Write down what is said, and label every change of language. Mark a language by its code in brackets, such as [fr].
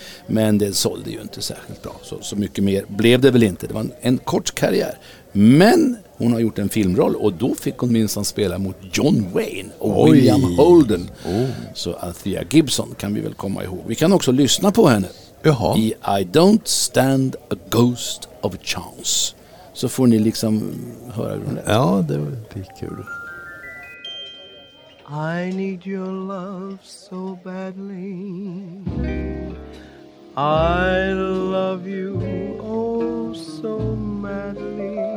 [sv] Men det sålde ju inte särskilt bra. Så mycket mer blev det väl inte. Det var en kort karriär. Men hon har gjort en filmroll och då fick hon minst spela mot John Wayne och William Holden. Oh. Så Althea Gibson kan vi väl komma ihåg. Vi kan också lyssna på henne. Jaha. [en] I I Don't Stand a Ghost of a Chance. [sv] Så får ni liksom höra hur hon lät. Ja, det var kul. [en] I need your love so badly. I love you oh so madly.